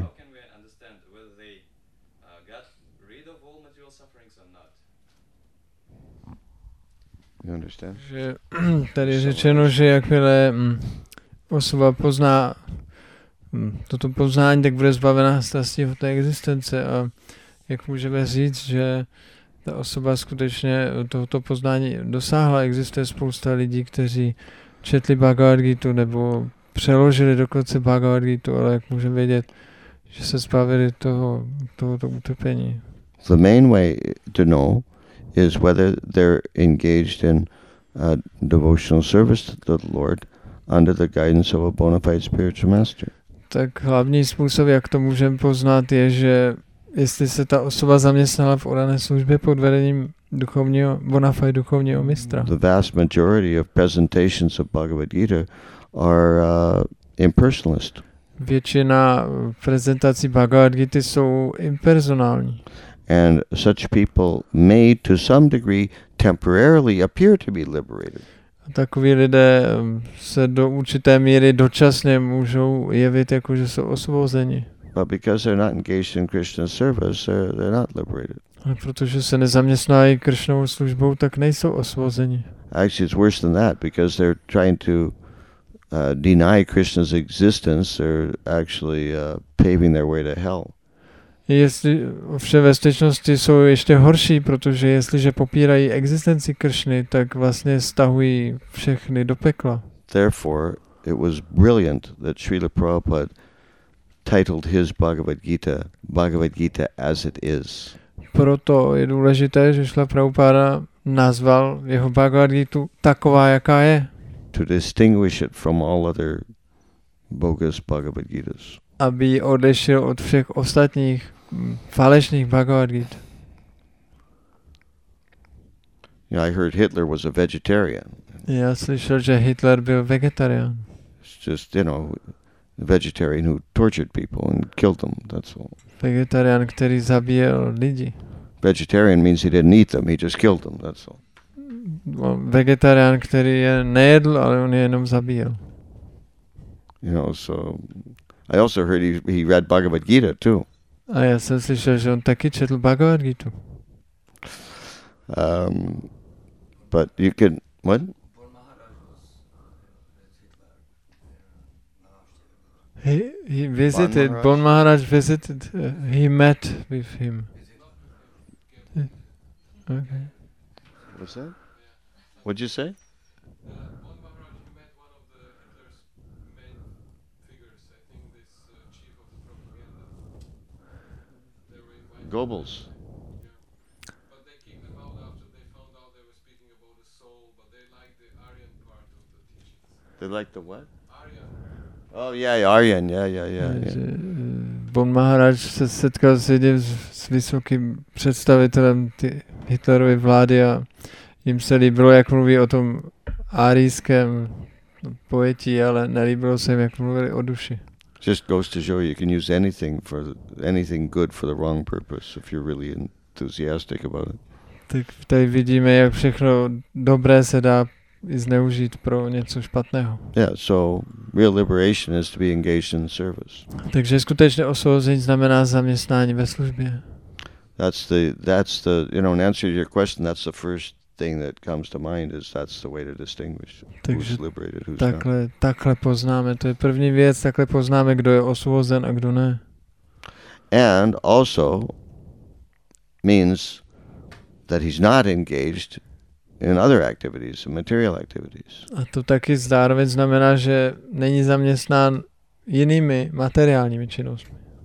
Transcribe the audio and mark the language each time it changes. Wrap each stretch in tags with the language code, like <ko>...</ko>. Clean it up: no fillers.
<en>How can we understand whether they got rid of all material sufferings or not? You understand?</en> <cs>Že tady je řečeno, že jakmile osoba pozná toto poznání, tak bude zbavená strasti v té existence. A jak můžeme říct, že ta osoba skutečně tohoto poznání dosáhla? Existuje spousta lidí, kteří četli Bhagavad Gita nebo přeložili dokonce Bhagavad Gita, ale jak můžeme vědět, že se zbavili tohoto utrpení.</cs> <en>The main way to know is whether they're engaged in a devotional service to the Lord under the guidance of a bona fide spiritual master.</en> <cs>Tak hlavní způsob, jak to můžeme poznat, je, že jestli se ta osoba zaměstnala v orané službě pod vedením duchovního, bona fide duchovního mistra.</cs> <en>The vast majority of presentations of Bhagavad Gita are impersonalist.</en> <cs>Většina prezentací Bhagavad Gita jsou impersonální.</cs> <en>And such people may to some degree temporarily appear to be liberated.</en> <cs>A takoví lidé se do určité míry dočasně můžou jevit jako že jsou osvobozeni.</cs> <en>But because they're not engaged in Krishna's service, they're not liberated.</en> <cs>Ale protože se nezaměstnají Krishnovou službou, tak nejsou osvobozeni.</cs> <en>Actually, it's worse than that because they're trying to deny Krishna's existence or actually paving their way to hell.</en> <cs>Jestli ovšem ve skutečnosti jsou ještě horší, protože jestliže popírají existenci Krishny, tak vlastně stahují všechny do pekla.</cs> <en>Therefore, it was brilliant that Srila Prabhupada titled his Bhagavad Gita, Bhagavad Gita as it is.</en> <cs>Proto je důležité, že Srila Prabhupada nazval jeho Bhagavad Gita taková, jaká je.</cs> <en>To distinguish it from all other bogus Bhagavad Gitas.</en> <cs>Aby odlišil od všech ostatních falešných Bhagavad Gita.</cs> <en>Yeah, I heard Hitler was a vegetarian.</en> <cs>Já slyšel, že Hitler byl vegetarián.</cs> <en>It's just, you know, a vegetarian who tortured people and killed them, that's all.</en> <cs>Vegetarián, který zabíjel lidi.</cs> <en>Vegetarian means he didn't eat them, he just killed them, that's all.</en> <cs>Vegetarián, který je nejedl, ale on je jenom zabíjel.</cs> <en>You know, so I also heard he read Bhagavad Gita too.</en> <cs>A já jsem slyšel, že on taky četl Bhagavad Gita.</cs> <en>But you can what? He visited Bon Maharaj visited he met with him. Okay. What's that? What'd you say? Bon Maharaj met one of the Hitler's main figures, I think this chief of the propaganda. Goebbels. They like the what? Aryan. Oh yeah, Aryan. Yeah.</en> <cs>Von Maharaj se setkal s jedním s vysokým představitelem Hitlerovy vlády a jim se líbilo, jak mluví o tom árijském pojetí, ale nelíbilo se jim, jak mluvili o duši.</cs> <en>Just goes to show you can use anything for anything good for the wrong purpose if you're really enthusiastic about it.</en> <cs>Tak tady vidíme, jak všechno dobré se dá i zneužít pro něco špatného.</cs> <en>Yeah, so real liberation is to be engaged in service.</en> <cs>Takže skutečné osvobození znamená zaměstnání ve službě.</cs> <en>That's the you know, in answer to your question, that's the first thing that comes to mind is that's the way to distinguish</en> <cs>takže</cs> <en>who's liberated, who's</en> <cs>takhle,</cs> <en>not.</en> <cs>Takhle poznáme, to je první věc, takhle poznáme, kdo je osvobozen a kdo ne.</cs> <en>And also means that he's not engaged in other activities, in material activities.</en> <cs>A to taky zároveň znamená, že není zaměstnán jinými materiálními činnostmi.</cs>